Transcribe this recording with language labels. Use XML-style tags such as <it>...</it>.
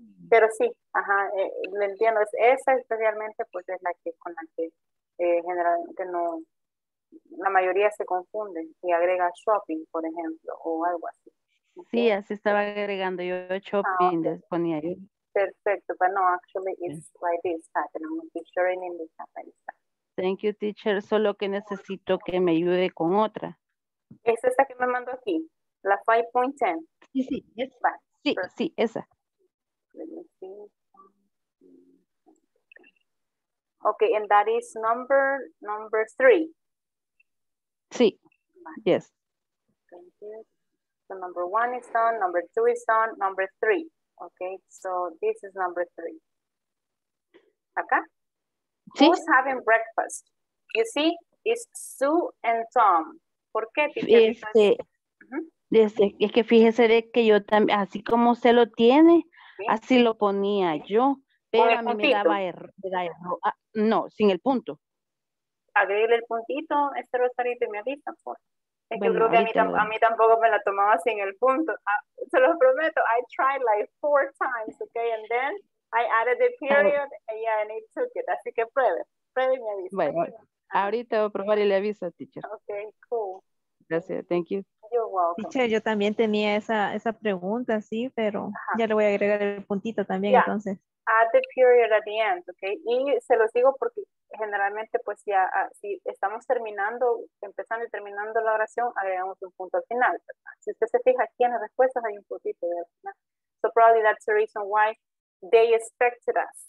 <es>Pero sí, ajá, lo entiendo, es esa especialmente, pues es la que con la que generalmente no la mayoría se confunde y agrega shopping, por ejemplo, o algo así. Sí, así estaba agregando yo shopping, les ponía ahí.</es> <en>Perfecto, but no, actually it's like this pattern. I'm going to be sharing in this pattern. Thank you, teacher.</en> <es>Solo que necesito que me ayude con otra. Es esta que me mandó aquí, la 5.10. Sí, sí, esa. Sí, sí, esa.</es> <en>Let me see. Okay, and that is number 3.</en> <es>Sí, bye. Yes.</es> <en>Thank you. So number 1 is done, number 2 is done, number 3. Okay, so this is number 3. Okay?</en> <es>Sí.</es> <en>Who's having breakfast? You see, it's Sue and Tom.</en> <es>¿Por qué? Este, because... uh-huh. Es que fíjese de que yo también, así como se lo tiene, ¿sí? Así lo ponía yo. Pero a mí me daba error. No, sin el punto. Agregue el puntito, este Rosarito, y me avisa, por es que bueno, creo que a mí tampoco me la tomaba sin el punto. Se lo prometo.</es> <en>I tried like 4 times, okay? And then I added the period and it took it.</en> <es>Así que pruebe y me avisa. Bueno, ahorita voy a probar y le aviso, teacher.</es> <en>Okay, cool.</en> <es>Gracias,</es> <en>thank you. You're welcome.</en> <es>Teacher, yo también tenía esa pregunta, sí, pero ajá. Ya le voy a agregar el puntito también,</es> <en>yeah.</en> <es>Entonces.</es> <en>Add the period at the end, okay?</en> <es>Y se los digo porque generalmente, pues ya, si estamos terminando, empezando y terminando la oración, agregamos un punto al final, ¿verdad? Si usted se fija aquí en las respuestas, hay un puntito de al final.</es> <en>So probably that's the reason why they expected us.</en>